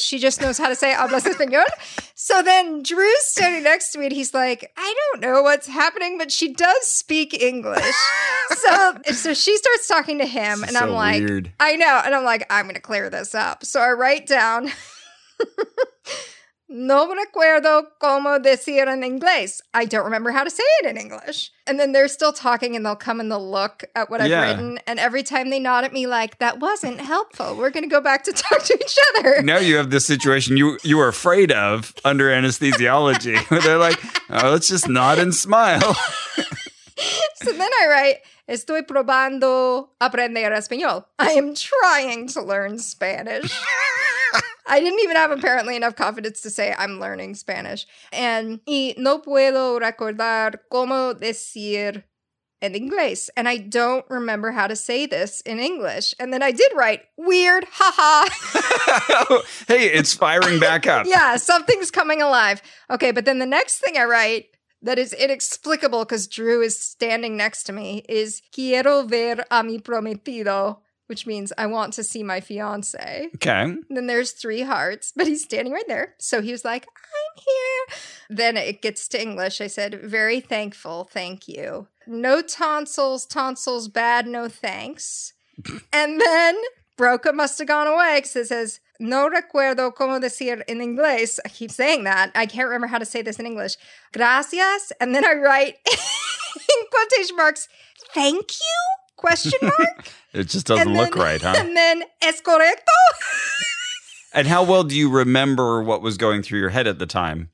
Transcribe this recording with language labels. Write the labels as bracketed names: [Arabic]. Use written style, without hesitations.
[English] She just knows how to say [Spanish] hablas español. [English] So then Drew's standing next to me and he's like, I don't know what's happening, but she does speak English. So she starts talking to him and so I'm like, weird. I know. And I'm like, I'm going to clear this up. So I write down, [Spanish] No recuerdo cómo decir en inglés. [English] I don't remember how to say it in English. And then they're still talking and they'll come and they'll look at what I've written. And every time they nod at me like, that wasn't helpful. We're going to go back to talk to each other. Now you have this situation you are afraid of under anesthesiology. Where they're like, oh, let's just nod and smile. So then I write, [Spanish] estoy probando aprender español. [English] I am trying to learn Spanish. I didn't even have apparently enough confidence to say I'm learning Spanish. [Spanish] And y no puedo recordar cómo decir en inglés. [English] And I don't remember how to say this in English. And then I did write, weird, haha. Hey, it's firing back up. Yeah, something's coming alive. Okay, but then the next thing I write that is inexplicable because Drew is standing next to me is [Spanish] quiero ver a mi prometido, [English] which means I want to see my fiance. Okay. And then there's three hearts, but he's standing right there. So he was like, I'm here. Then it gets to English. I said, very thankful. Thank you. No tonsils. Tonsils bad. No thanks. And then Broca must have gone away because it says, [Spanish] no recuerdo cómo decir en inglés. [English] I keep saying that. I can't remember how to say this in English. [Spanish] Gracias. [English] And then I write in quotation marks, thank you? Question mark? It just doesn't then, look right, huh? And then, [Spanish] ¿es correcto? [English] And how well do you remember what was going through your head at the time?